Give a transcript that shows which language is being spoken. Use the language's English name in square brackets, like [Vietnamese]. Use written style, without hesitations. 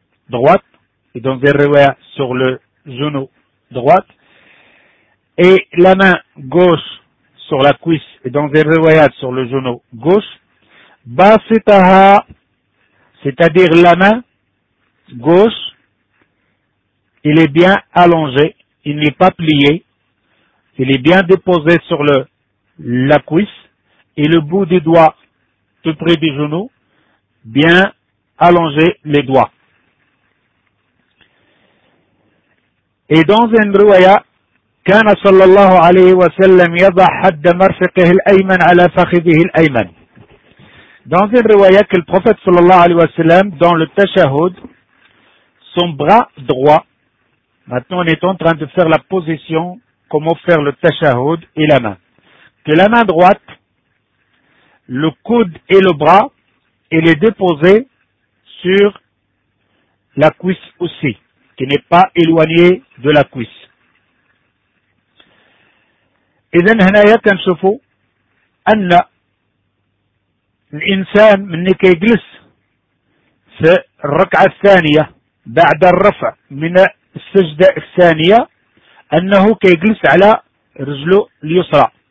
[French] droite, et donc derrière sur le genou droit, et la main gauche sur la cuisse, et donc des riwayats sur le genou gauche, basitaha, c'est-à-dire la main gauche, il est bien allongé, il n'est pas plié, il est bien déposé sur la cuisse, et le bout des doigts, tout près du genou, bien allongé les doigts. Et dans un riwayat, [Arabic] كان صلى الله عليه وسلم يضع حد مرفقه الأيمن على فخذه الأيمن. [French] Dans une riwaya que le prophète [Arabic] صلى الله عليه وسلم [French] dans le tashahhud, son bras droit, maintenant on est en train de faire la position, comment faire le tashahhud et la main. Que la main droite, le coude et le bras, il est déposé sur la cuisse aussi, qui n'est pas éloigné de la cuisse. [Arabic] إذن هنا يتنشفوا أن الإنسان من كي يجلس في الركعة الثانية بعد الرفع من السجدة الثانية أنه كي يجلس على رجله اليسرى